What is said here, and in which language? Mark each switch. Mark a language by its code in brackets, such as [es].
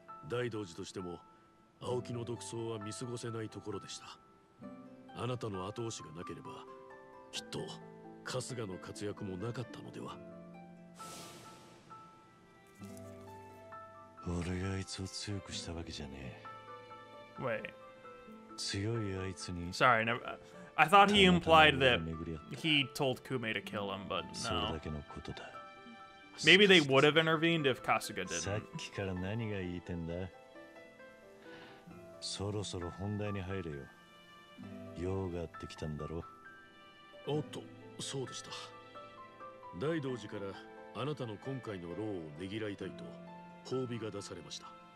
[ja] 大道寺としても青木の独走は見過ごせないところでした。あなたの後押しがなければきっと春日の活躍もなかったのでは。俺があいつを強くしたわけじゃねえ。 [en] Wait. [ja] 強いあいつに。 [en] Sorry, never. I thought he implied that he told Kume to kill him, but no. [ja] それだけのことだ。 [en] Maybe they would have intervened if Kasuga didn't. [ja] さっきから何が言いてんだ。そろそろ本題に入れよ。用があってきたんだろ。おっと、そうでした。大道寺からあなたの今回の労をねぎらいたいと。褒美が出されました。